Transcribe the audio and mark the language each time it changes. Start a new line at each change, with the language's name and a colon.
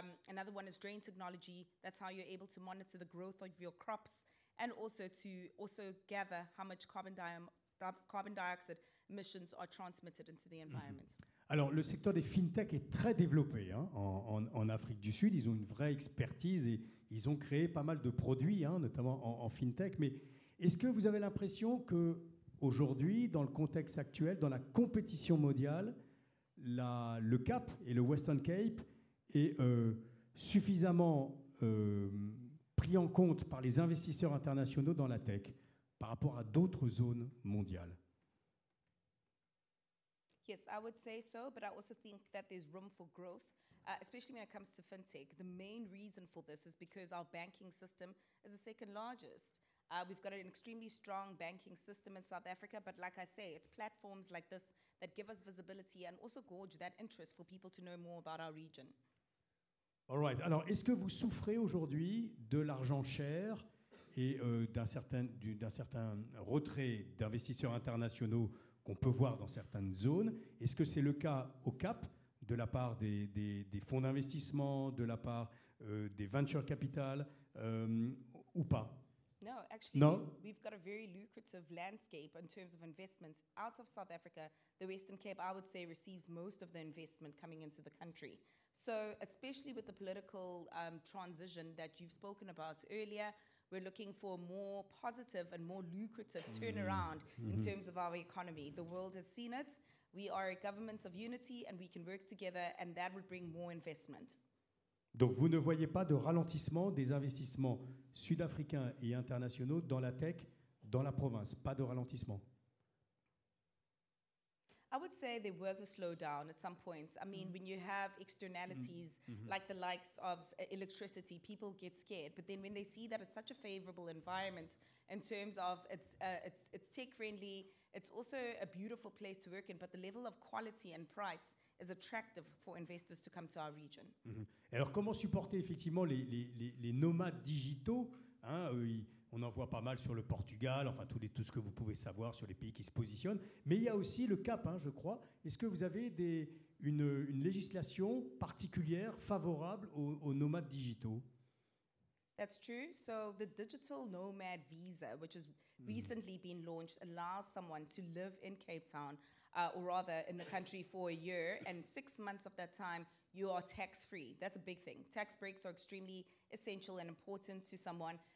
English: Another one is drain technology. That's how you're able to monitor the growth of your crops and also gather how much carbon dioxide emissions are transmitted into the environment.
French: Alors, le secteur des fintech est très développé, hein, en Afrique du Sud. Ils ont une vraie expertise et ils ont créé pas mal de produits, hein, notamment en fintech. Mais est-ce que vous avez l'impression qu'aujourd'hui, dans le contexte actuel, dans la compétition mondiale, le Cap et le Western Cape est suffisamment pris en compte par les investisseurs internationaux dans la tech par rapport à d'autres zones mondiales?
English: Yes, I would say so, but I also think that there's room for growth, especially when it comes to fintech. The main reason for this is because our banking system is the second largest. We've got an extremely strong banking system in South Africa, but like I say, it's platforms like this that give us visibility and also gorge that interest for people to know more about our region. All right.
French: Alors, est-ce que vous souffrez aujourd'hui de l'argent cher et d'un certain retrait d'investisseurs internationaux qu'on peut voir dans certaines zones? Est-ce que c'est le cas au Cap de la part des fonds d'investissement, de la part des venture capital ou pas?
English: No, actually, no. We've got a very lucrative landscape in terms of investments out of South Africa. The Western Cape, I would say, receives most of the investment coming into the country. So, especially with the political transition that you've spoken about earlier, we're looking for more positive and more lucrative turnaround in terms of our economy. The world has seen it. We are a government of unity, and we can work together, and that would bring more investment.
French: Donc, vous ne voyez pas de ralentissement des investissements sud-africains et internationaux dans la tech, dans la province. Pas de ralentissement.
English: I would say there was a slowdown at some point. I mean, when you have externalities like the likes of electricity, people get scared. But then when they see that it's such a favorable environment in terms of it's tech-friendly, it's also a beautiful place to work in, but the level of quality and price is attractive for investors to come to our region.
French: Alors, comment supporter effectivement les nomades digitaux, hein, on en voit pas mal sur le Portugal, enfin tout ce que vous pouvez savoir sur les pays qui se positionnent. Mais il y a aussi le Cap, hein, je crois. Est-ce que vous avez une législation particulière favorable aux nomades digitaux?
English: That's true. So the Digital Nomad Visa, which has recently been launched, allows someone to live in Cape Town, or rather in the country for a year, and 6 months of that time, you are tax-free. That's a big thing. Tax breaks are extremely essential and important to someone.